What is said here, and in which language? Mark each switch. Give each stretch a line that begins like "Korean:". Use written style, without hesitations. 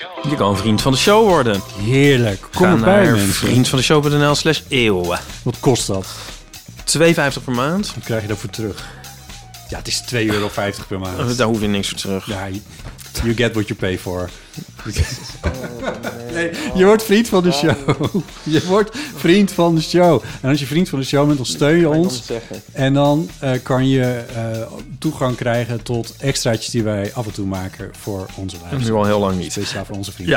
Dutch: Je kan vriend van de show worden. Heerlijk. Kom ga erbij, naar mensen. vriendvandeshow.nl/eeuw. Wat kost dat? €2,50 per maand. Wat krijg je daarvoor terug? Ja, het is €2,50 per maand. Daar hoef je niks voor terug.
English: Ja, you get what you pay for.
Dutch: Nee, je wordt vriend van de show. Je wordt vriend van de show. En als je vriend van de show bent, dan steun je ons. En dan kan je toegang krijgen tot extraatjes die wij af en toe maken voor onze lijst. Nu al heel lang niet. Speciaal voor onze vrienden.